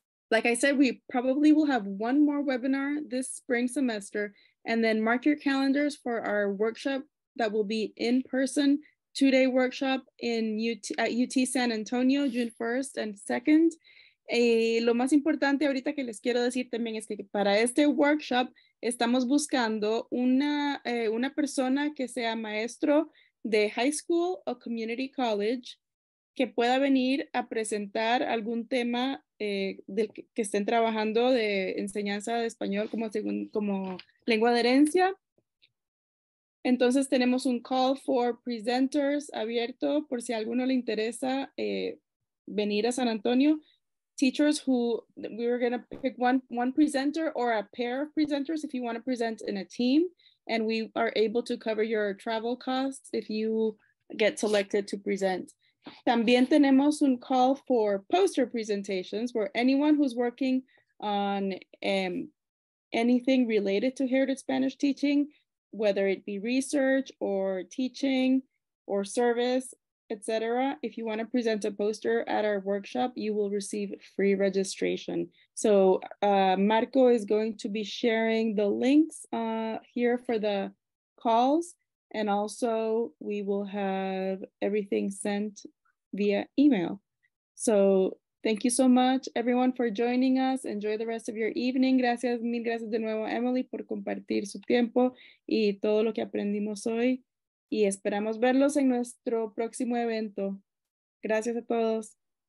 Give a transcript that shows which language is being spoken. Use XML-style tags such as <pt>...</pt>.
<en>Like I said, we probably will have one more webinar this spring semester, and then mark your calendars for our workshop that will be in person, 2-day workshop in at UT San Antonio, June 1st and 2nd.</en> <es>Lo más importante ahorita que les quiero decir también es que para este workshop estamos buscando una persona que sea maestro de high school o community college que pueda venir a presentar algún tema del que estén trabajando de enseñanza de español como lengua de herencia. Entonces tenemos un</es> <en>call for presenters</en> <es>abierto por si a alguno le interesa venir a San Antonio.</es> <en>Teachers who, we were going to pick one presenter or a pair of presenters if you want to present in a team, and we are able to cover your travel costs if you get selected to present.</en> <es>También tenemos un</es> <en>call for poster presentations where anyone who's working on anything related to heritage Spanish teaching, whether it be research or teaching or service, etc. If you want to present a poster at our workshop, you will receive free registration. So Marco is going to be sharing the links here for the calls. And also we will have everything sent via email. So thank you so much, everyone, for joining us. Enjoy the rest of your evening.</en> <es>Gracias, mil gracias de nuevo, Emily, por compartir su tiempo y todo lo que aprendimos hoy. Y esperamos verlos en nuestro próximo evento. Gracias a todos.</es>